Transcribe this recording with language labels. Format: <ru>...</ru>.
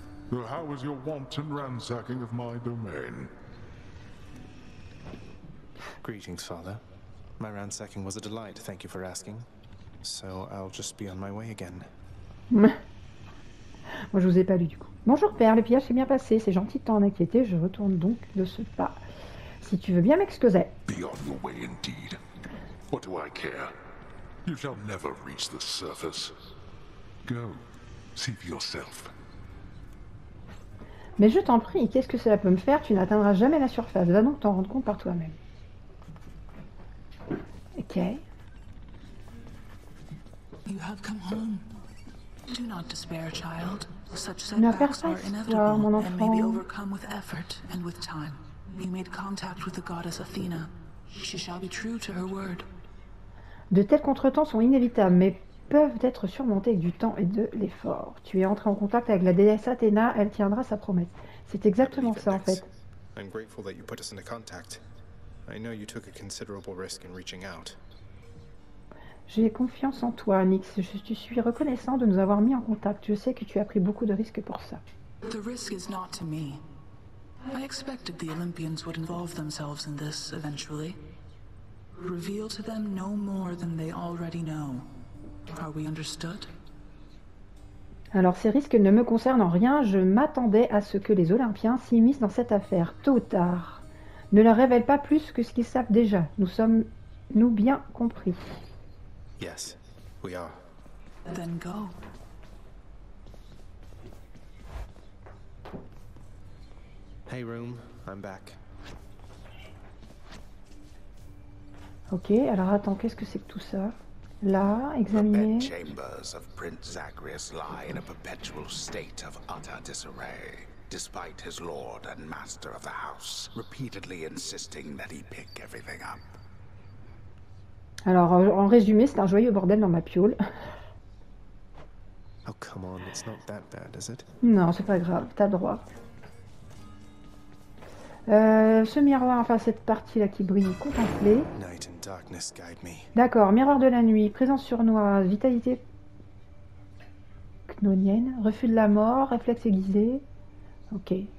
<en>So how was your wanton ransacking of my domain? Greetings, father. My ransacking was a delight, thank you for asking. So I'll just be on my way again.</en> <fr>Moi, je vous ai pas lu du coup. Bonjour père, le pillage s'est bien passé, c'est gentil de t'en inquiéter, je retourne donc de ce pas. Si tu veux bien m'excuser.</fr> <en>Be on your way indeed. What do I care? You shall never reach the surface. Go, see for yourself.</en> <fr>Mais je t'en prie, qu'est-ce que cela peut me faire? Tu n'atteindras jamais la surface. Va donc t'en rendre compte par toi-même. Ok.</fr> <en>You have come home. Do not despair, child. Such setbacks are inevitable and may be overcome with effort and with time. You made contact with the goddess Athena. She shall be true to her word.</en> <fr>De tels contretemps sont inévitables, mais peuvent être surmontés avec du temps et de l'effort. Tu es entré en contact avec la déesse Athéna, elle tiendra sa promesse. C'est exactement ça, en fait.</fr> <en>I'm grateful that you put us in contact. I know you took a considerable risk in reaching out.</en> <fr>J'ai confiance en toi, Nyx. Je te suis reconnaissant de nous avoir mis en contact. Je sais que tu as pris beaucoup de risques pour ça.</fr> <en>The risk is not to me. I expected the Olympians would involve themselves in this eventually. Reveal to them no more than they already know. Are we understood?</en> <fr>Alors ces risques ne me concernent en rien, je m'attendais à ce que les Olympiens s'immiscent dans cette affaire, tôt ou tard. Ne leur révèle pas plus que ce qu'ils savent déjà. Nous sommes, nous bien compris.</fr> <en>Yes, we are. Then go. Hey, Room, I'm back.</en> <fr>Ok, alors attends, qu'est-ce que c'est que tout ça? Là, examiner.</fr> <en>The chambers of Prince Zagreus lie in a perpetual state of utter disarray, despite his lord and master of the house repeatedly insisting that he pick everything up.</en> <fr>Alors, en résumé, c'est un joyeux bordel dans ma piole.</fr> <en>Oh, come on, it's not that bad, is it?</en> <fr>Non, c'est pas grave, t'as droit. Ce miroir, enfin cette partie-là qui brille, contempler.</fr> <en>Night and darkness guide me.</en> <fr>D'accord, miroir de la nuit, présence sournoise, vitalité cnonienne, refus de la mort, réflexe aiguisé. Ok.</fr>